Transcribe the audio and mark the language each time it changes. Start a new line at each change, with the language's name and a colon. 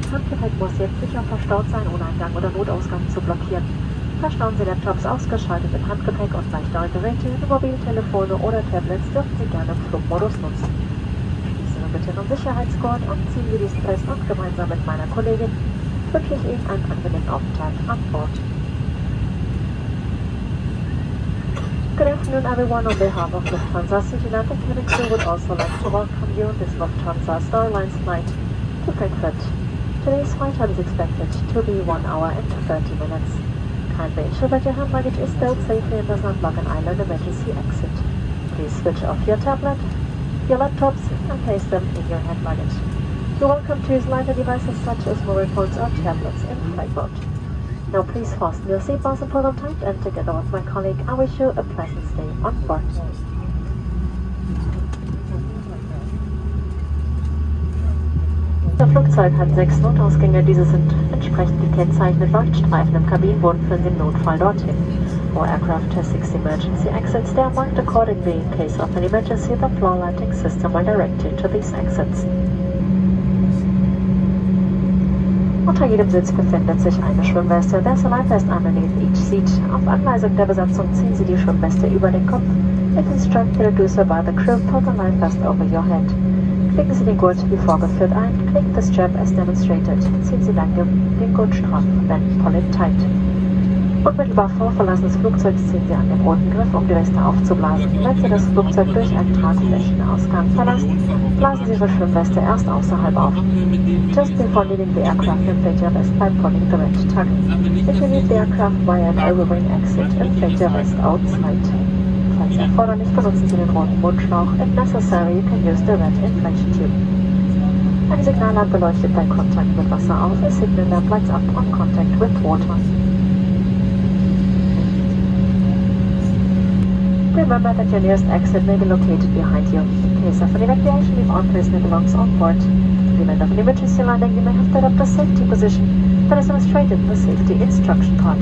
German: Handgepäck muss jetzt sicher verstaut sein, ohne Eingang oder Notausgang zu blockieren. Verstauen Sie Laptops ausgeschaltet im Handgepäck und leichtere Geräte wie Mobiltelefone oder Tablets dürfen Sie gerne im Flugmodus nutzen. Schließen Sie bitte den Sicherheitsgurt und ziehen Sie diesen fest und gemeinsam mit meiner Kollegin wünsche ich Ihnen einen angenehmen Aufenthalt an Bord.
English: Good afternoon, everyone. On behalf of Lufthansa Cityline, the cabin crew would also like to welcome you on this Lufthansa Starlines flight to Frankfurt. Today's flight time is expected to be 1 hour and 30 minutes. Kindly ensure that your hand luggage is stowed safely and does not block an island emergency exit. Please switch off your tablet, your laptops, and place them in your hand luggage. You're welcome to use lighter devices such as mobile phones or tablets in flight mode. Now please fasten your seatbelts and pull them tight, and together with my colleague, I wish you a pleasant stay on board.
German: Das Flugzeug hat 6 Notausgänge, diese sind entsprechend gekennzeichnet. Leuchtstreifen im Kabinenboden führen Sie im Notfall dorthin.
English: All aircraft has 6 emergency exits, they are marked accordingly. In case of an emergency, the floor lighting system will direct you to these exits.
German: Unter jedem Sitz befindet sich eine Schwimmweste.
English: There's a life vest underneath each seat.
German: Auf Anweisung der Besatzung ziehen Sie die Schwimmweste über den Kopf.
English: If instructed to do so by the crew, put the life vest over your head.
German: Klicken Sie den Gurt wie vorgeführt ein.
English: Click the strap as demonstrated.
German: Ziehen Sie dann den Gurt straff, wenn voll in tight. Unmittelbar vor Verlassen des Flugzeugs ziehen Sie an dem roten Griff, um die Weste aufzublasen. Wenn Sie das Flugzeug durch einen Tragflächenausgang verlassen, blasen Sie Ihre Schwimmweste erst außerhalb auf.
English: Just before leaving the aircraft, inflate your vest by pulling the red tag. If you leave the aircraft via an overwing exit, inflate your vest outside.
German: Falls erforderlich, benutzen Sie den roten Mundschlauch.
English: If necessary, you can use the red inflation tube.
German: Eine Signallampe leuchtet bei Kontakt mit Wasser auf.
English: A signal lamp lights up on contact with water. Remember that your nearest exit may be located behind you. In case of an evacuation, leave all personnel belongs on board. In the event of an emergency landing, you may have to adopt a safety position that is illustrated in the safety instruction card.